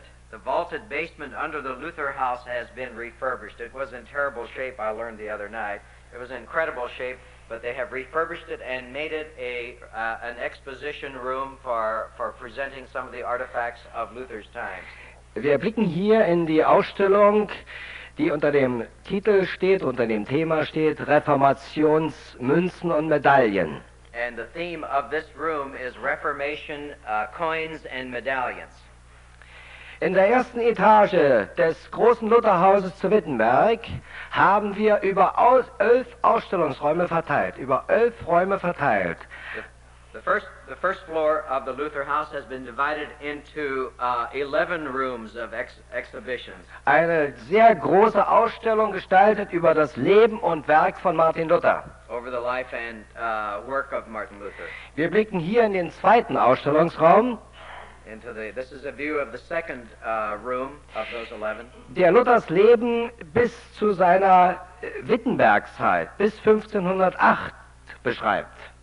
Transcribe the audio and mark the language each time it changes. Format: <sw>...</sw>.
<en>The vaulted basement under the Luther House has been refurbished. It was in terrible shape, I learned the other night. It was in incredible shape, but they have refurbished it and made it an exposition room for presenting some of the artifacts of Luther's times.</en> <de>Wir blicken hier in die Ausstellung, die unter dem Titel steht, unter dem Thema steht, Reformationsmünzen und Medaillen.</de> <en>And the theme of this room is Reformation, coins and medallions.</en> <de>In der ersten Etage des großen Lutherhauses zu Wittenberg haben wir über 11 Ausstellungsräume verteilt.</de> <en>The first floor of the Luther House has been divided into 11 rooms of exhibitions.</en> <de>Eine sehr große Ausstellung gestaltet über das Leben und Werk von Martin Luther.</de> <en>Over the life and work of Martin Luther.</en> <de>Wir blicken hier in den zweiten Ausstellungsraum.</de> <en>This is a view of the second room of those 11.</en> <de>Der Luthers Leben bis zu seiner Wittenbergzeit, bis 1508, beschreibt.</de>